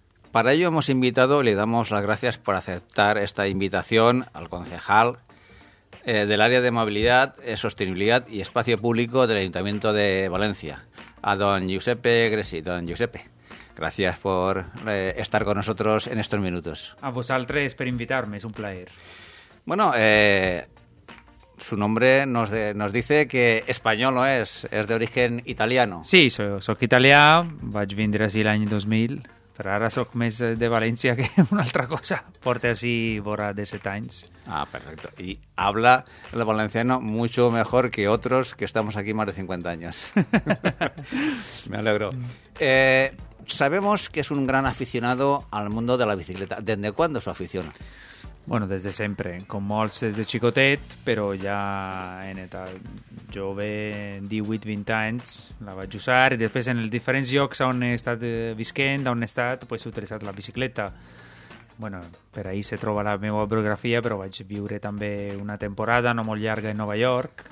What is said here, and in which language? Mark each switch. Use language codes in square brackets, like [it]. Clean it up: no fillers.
[es] Para ello hemos invitado y le damos las gracias por aceptar esta invitación al concejal del área de movilidad, sostenibilidad y espacio público del Ayuntamiento de Valencia, a don Giuseppe Gresi. Don Giuseppe, gracias por estar con nosotros en estos minutos. [ca] A vosaltres per invitarme, [es] es un placer. Bueno, su nombre nos dice que español no es, es de origen italiano. Sí, soy italiano, [ca] vaig vindre ací l'any 2000, però ara soc més de València que una altra cosa. Porte ací vora de 7 anys. [es] Ah, perfecto. Y habla el valenciano mucho mejor que otros que estamos aquí más de 50 años. Me alegro. Sabemos que es un gran aficionado al mundo de la bicicleta. ¿Desde cuándo su afición? [ca] Bueno, des de sempre, com molts des de xicotet, però ja en etat jove, 18-20 anys, la vaig usar. I després en els diferents llocs on he estat visquent, on he estat, pues, he utilitzat la bicicleta. Bueno, per ahí se troba la meva biografia, però vaig viure també una temporada no molt llarga a Nova York.